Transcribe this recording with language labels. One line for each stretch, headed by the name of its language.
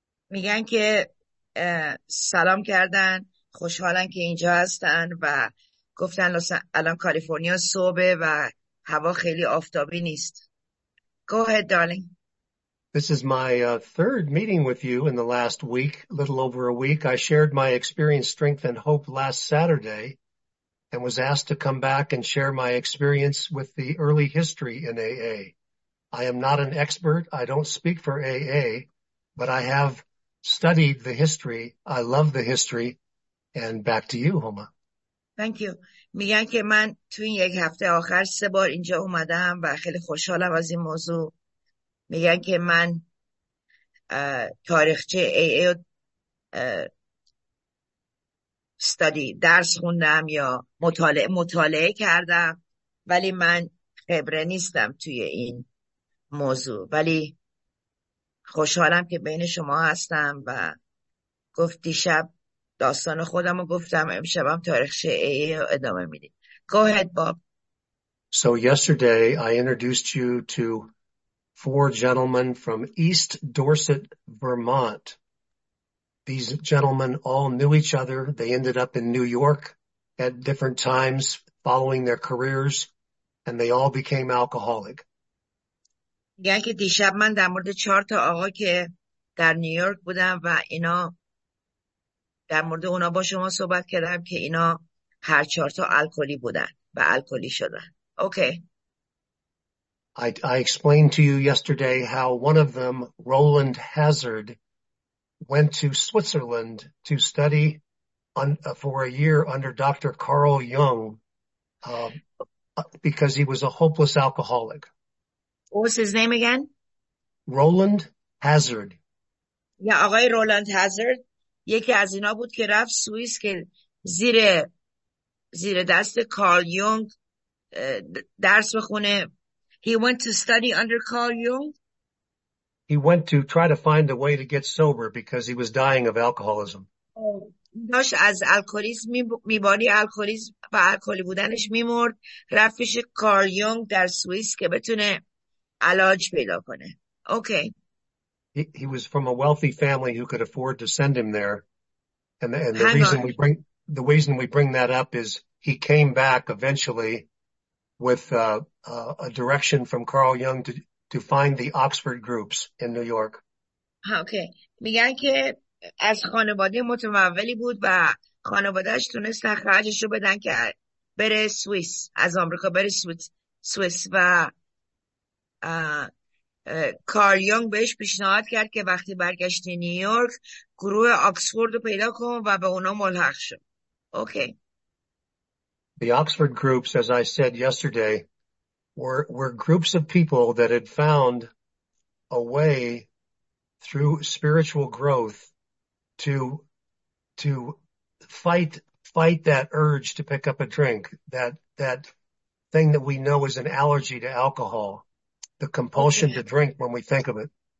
Persian: میگن که سلام کردن، خوشحالن که اینجا هستن و گفتن الان کالیفرنیا صبح و هوا خیلی آفتابی نیست.
English: Go ahead, darling. This is my third meeting with you in the last week, a little over a week. I shared my experience, strength, and hope last Saturday and was asked to come back and share my experience with the early history in AA. I am not an expert. I don't speak for AA, but I have studied the history. I love the history. And back to you, Homa. Thank you.
Persian: میگن که من تو این یک هفته آخر سه بار اینجا اومدم و خیلی خوشحالم از این موضوع. میگن که من تاریخچه AA استادی درس خوندم یا مطالعه کردم، ولی من خبره نیستم توی این موضوع، ولی خوشحالم که بین شما هستم و گفتی شب داستان خودم رو گفتم، امشبم تاریخچه AA رو ادامه میدیم.
English: Go ahead, Bob. So yesterday I introduced you to four gentlemen from East Dorset, Vermont. These gentlemen all knew each other. They ended up in New York at different times following their careers, and they all became alcoholic.
Persian: میگن که دیشب من در مورد چهار تا آقا که در نیویورک بودن و اینا در مورد اونا با شما صحبت کردم که اینا هر چهار تا الکلی بودن و الکلی شدن.
English: Okay. I explained to you yesterday how one of them, Roland Hazard, went to Switzerland to study for a year under Dr. Carl Jung because he was a hopeless alcoholic. What was his name again? Roland Hazard.
Persian: Yeah, آقای رولاند هازارد یکی از اینا بود که رفت سوئیس که زیر دست کارل یونگ درس بخونه.
English: He went to study under Carl Jung. He went to try to find a way to get sober because he was dying of alcoholism.
Persian: داشت از الکلیسم میبادی، الکلیسم و الکلی بودنش میمرد. رفت پیش کارل یونگ در سوئیس که بتونه علاج پیدا کنه.
English: Okay. He was from a wealthy family who could afford to send him there. And the reason we bring that up is he came back eventually with a direction from Carl Jung to find the Oxford groups in New York. Okay.
Persian: میگن که از خانواده متمولی بود و خانواده‌اش تونست خرجش رو بدن که بره سوئیس، از آمریکا بره سوئیس و کارل یونگ بهش پیشنهاد کرد که وقتی برگشتی نیویورک گروه آکسفورد رو پیدا کن و به اونا ملحق شد.
English: Okay. The Oxford groups, as I said yesterday, were groups of people that had found a way through spiritual growth to fight that urge to pick up a drink, that thing that we know is an allergy to alcohol, the compulsion to drink when we think of it.